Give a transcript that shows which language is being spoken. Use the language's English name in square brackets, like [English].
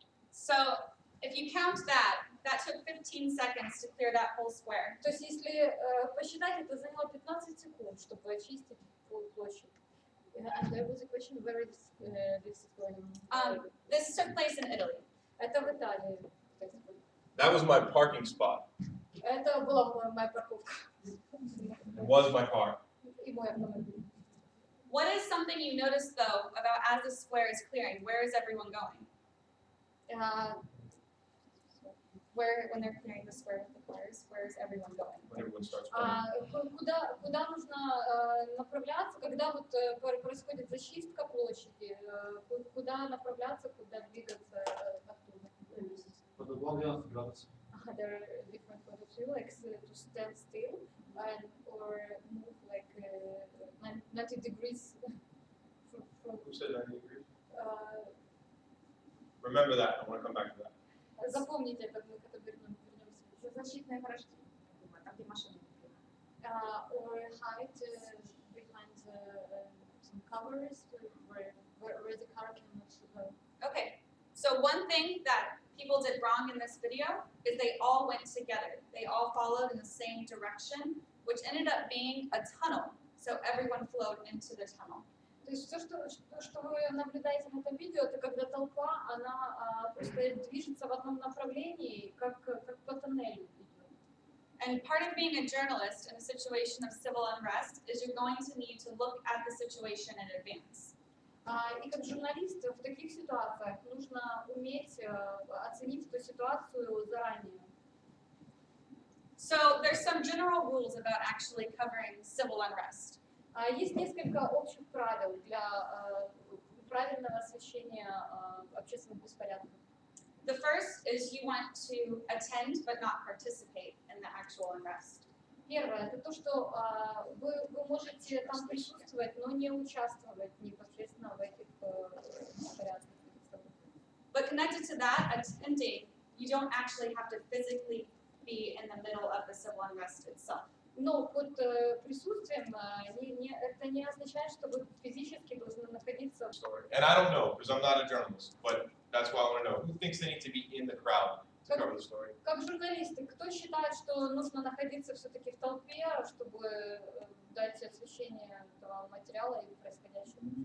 [English] So, if you count that, that took 15 seconds to clear that whole square. [Russian] То есть если посчитать, это заняло 15 секунд, чтобы очистить площадь. [English] And there was a question where this is going. This took place in Italy. Это в Италии. That was my parking spot. Это была моя парковка. It was my car. И мой автомобиль. What is something you notice though about as the square is clearing? Where is everyone going? Where when they're clearing the square of the cars, where is everyone going? When everyone starts playing. [Russian] Куда нужно направляться, когда происходит зачистка площади? Куда направляться, куда двигаться оттуда? Под углом 90 градусов. [English] There are different points of view, like to stand still and or move like 90 degrees. Who said 90 degrees? Remember that. I want to come back to that. [Russian] Запомните это, мы когда вернемся. Защитное ограждение, там где машины. [English] Or hide behind some covers where the car cannot go. Okay. So one thing that people did wrong in this video is they all went together. They all followed in the same direction, which ended up being a tunnel. So everyone flowed into the tunnel. [Russian] То есть все, что вы наблюдаете на этом видео, это когда толпа, она просто движется в одном направлении, как по тоннелю. [English] And part of being a journalist in a situation of civil unrest is you're going to need to look at the situation in advance. [Russian] И как журналист в таких ситуациях нужно уметь оценить эту ситуацию заранее. [English] So there's some general rules about actually covering civil unrest. [Russian] Есть несколько общих правил для правильного освещения общественных беспорядков. [English] The first is you want to attend but not participate in the actual unrest. [Russian] Первое это то, что вы можете там присутствовать, но не участвовать непосредственно в этих беспорядках. [English] But connected to that, attending, you don't actually have to physically be in the middle of the civil unrest itself. [Russian] Но под присутствием это не означает, что вы физически должны находиться. [English] Sorry. And I don't know, because I'm not a journalist, but that's why I want to know. Who thinks they need to be in the crowd to cover the story? [Russian] Как журналисты, кто считает, что нужно находиться все-таки в толпе, чтобы дать освещение этого материала и происходящего?